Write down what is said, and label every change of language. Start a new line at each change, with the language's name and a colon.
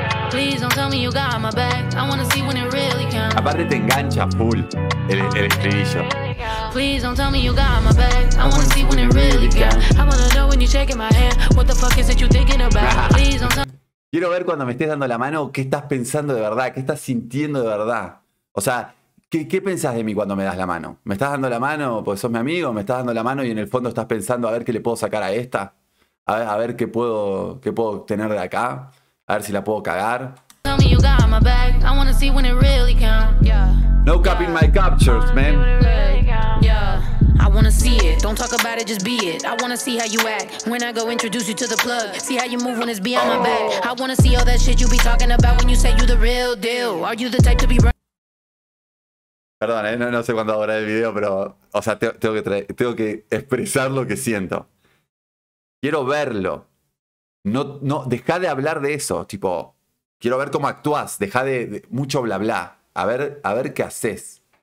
English: Please don't tell me you got my back. I wanna see when it really counts.
Spanish: Aparte te engancha full el estribillo.
English: Please don't tell me you got my back. I wanna see when it really counts. I wanna know when you're shaking my hand. What the fuck is it you thinking about? Please don't tell.
Spanish: Quiero ver cuando me estés dando la mano qué estás pensando de verdad, qué estás sintiendo de verdad. O sea, ¿qué pensás de mí cuando me das la mano? ¿Me estás dando la mano porque sos mi amigo? ¿Me estás dando la mano y en el fondo estás pensando a ver qué le puedo sacar a esta? A ver qué puedo obtener de acá. A ver si la puedo cagar.
English: Tell me you got my back. I wanna see when it really counts. No capping my captures, man. Yeah. I wanna see it. Don't talk about it, just be it. I wanna see how you act when I go introduce you to the plug. See how you move when it's behind my back. I wanna see all that shit you be talking about when you say you the real deal. Are you the type to be run?
Spanish: Perdón, ¿eh? no sé cuándo habrá el video, pero, o sea, tengo que expresar lo que siento. Quiero verlo. No, dejá de hablar de eso, tipo, quiero ver cómo actúas, dejá de mucho bla bla, a ver qué haces.